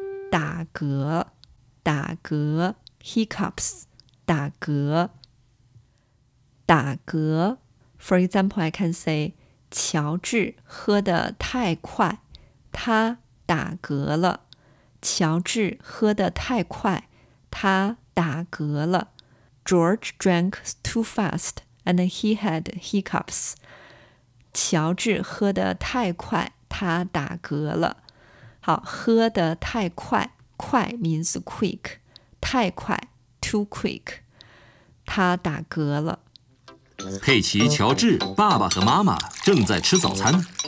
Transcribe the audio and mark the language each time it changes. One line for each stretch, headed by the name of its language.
Chinese: 打嗝。打嗝。Hiccups, 打嗝。打嗝。
English: For example, I can say,
Chinese: 乔治喝得太快，他打嗝了。乔治喝得太快，他打嗝了。
English: George drank too fast, and he had hiccups.
Chinese: 乔治喝得太快，他打嗝了。好，喝得太快，快
English: means quick,
Chinese: 太快
English: too quick,
Chinese: 他打嗝了。佩奇、乔治、爸爸和妈妈正在吃早餐。